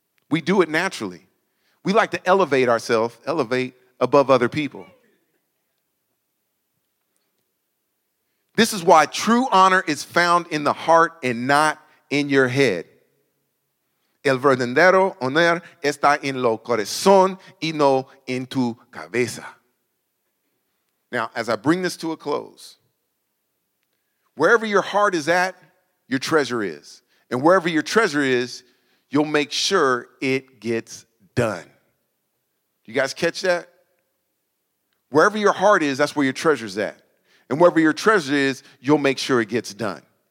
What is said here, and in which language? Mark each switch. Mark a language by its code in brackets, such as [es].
[en] We do it naturally. We like to elevate ourselves, elevate above other people. This is why true honor is found in the heart and not in your head. [es] El verdadero honor está en lo corazón y no en tu cabeza. [en] Now, as I bring this to a close, wherever your heart is at, your treasure is. And wherever your treasure is, you'll make sure it gets done. You guys catch that? Wherever your heart is, that's where your treasure's at. And wherever your treasure is, you'll make sure it gets done.